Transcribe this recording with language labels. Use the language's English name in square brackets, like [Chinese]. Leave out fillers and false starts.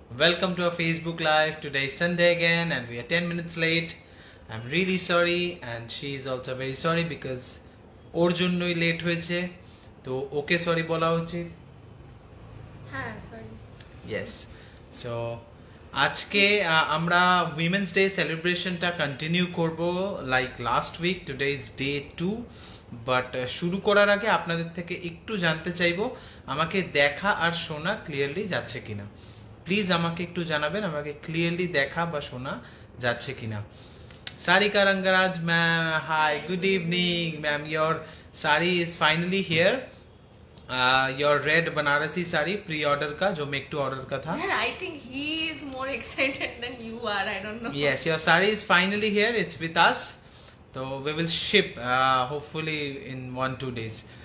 [English] Welcome to our Facebook Live. Today is Sunday again and we are 10 minutes late. I'm really sorry and she is also very sorry because [Bangla] ওর জন্যই late হয়েছে তো ওকে sorry বলা উচিত হ্যাঁ sorry yes so আজকে আমরা women's day সেলিব্রেশনটা continue করব like last week [English] today is day two [Bangla] but শুরু করার আগে আপনাদের থেকে একটু জানতে চাইব আমাকে দেখা আর শোনা ক্লিয়ারলি যাচ্ছে কিনা প্লিজ আমাকে একটু জানাবেন আমাকে ক্লিয়ারলি দেখা বা শোনা যাচ্ছে কিনা [English] Sarika Rangaraj ma'am, hi, good evening ma'am, your sari is finally here, your red Banarasi sari pre-order [Hindi] ka, jo make to order ka tha. [English] Yeah, I think he is more excited than you are, I don't know. Yes, your sari is finally here, it's with us, so we will ship hopefully in 1-2 days.